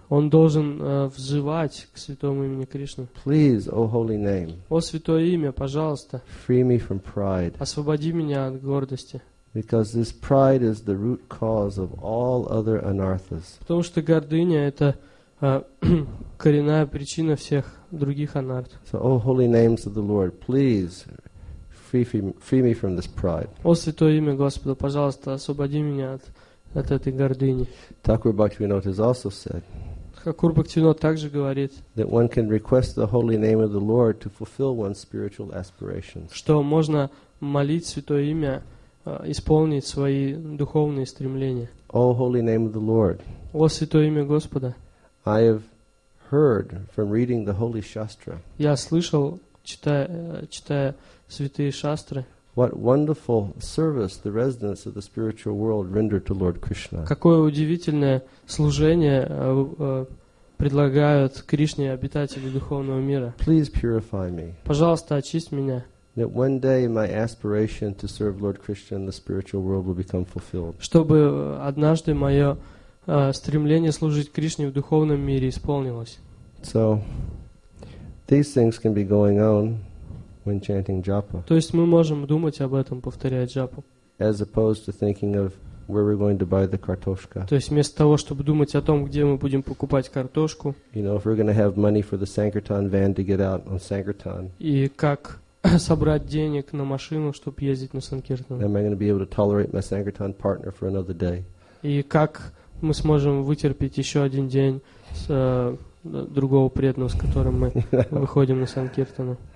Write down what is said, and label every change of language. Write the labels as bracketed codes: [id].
[ru] Он должен взывать к святому имени Кришны. [en] Please, O holy name. [ru] О святое имя, пожалуйста. [en] Free me from pride. [ru] Освободи меня от гордости. [en] Because this pride is the root cause of all other anarthas. [ru] Потому что гордыня это коренная причина всех других анарт. [en] So, O holy names of the Lord, please. Free me from this pride. [ru] О святое имя Господа, пожалуйста, освободи меня от этой гордыни. [en] Thakur Bhaktivinoda has also said. [ru] Thakur Bhaktivinoda также говорит. [en] That one can request the holy name of the Lord to fulfill one's spiritual aspirations. [ru] Что можно молить святое имя исполнить свои духовные стремления. [en] О holy name of the Lord. [ru] О святое имя Господа. [en] I have heard from reading the holy shastra. [ru] Я слышал, читая святые шастры. [en] What wonderful service the residents of the spiritual world render to Lord Krishna. [ru] Какое удивительное служение предлагают Кришне обитатели духовного мира. [en] Please purify me. [ru] Пожалуйста, очисть меня. [en] That one day my aspiration to serve Lord Krishna in the spiritual world will become fulfilled. [ru] Чтобы однажды мое стремление служить Кришне в духовном мире исполнилось. [en] So, these things can be going on when chanting japa. [ru] То есть мы можем думать об этом, повторяя джапу. [en] As opposed to thinking of where we're going to buy the kartoshka. [ru] То есть вместо того, чтобы думать о том, где мы будем покупать картошку. [en] You know, if we're going to have money for the Sankirtan van to get out on Sankirtan. [ru] И как собрать денег на машину, чтобы ездить на Санкиртан. [en] Am I going to be able to tolerate my Sankirtan partner for another day? [ru] И как мы сможем вытерпеть еще один день с другого преданного, с которым мы выходим на санкиртану.